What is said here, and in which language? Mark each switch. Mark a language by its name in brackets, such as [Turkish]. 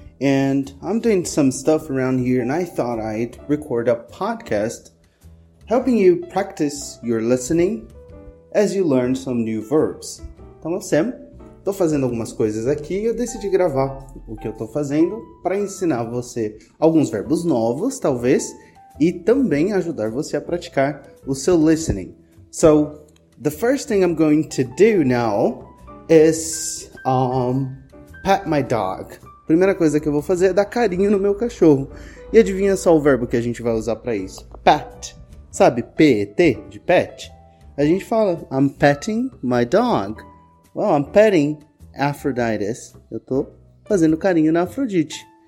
[English] And I'm doing some stuff around here and I thought I'd record a podcast helping you practice your listening as you learn some new verbs. [Portuguese] Então, eu, Sam, tô fazendo algumas coisas aqui e eu decidi gravar o que eu tô fazendo para ensinar você alguns verbos novos, talvez, e também ajudar você a praticar o seu listening. [English] So, the first thing I'm going to do now is pat my dog. [Portuguese] Primeira coisa que eu vou fazer é dar carinho no meu cachorro. E adivinha só o verbo que a gente vai usar para isso? Pat. Sabe? P-E-T, de pet. A gente fala, [English] I'm patting my dog. Well, I'm patting Aphrodite. [Portuguese] Eu tô fazendo carinho na Afrodite.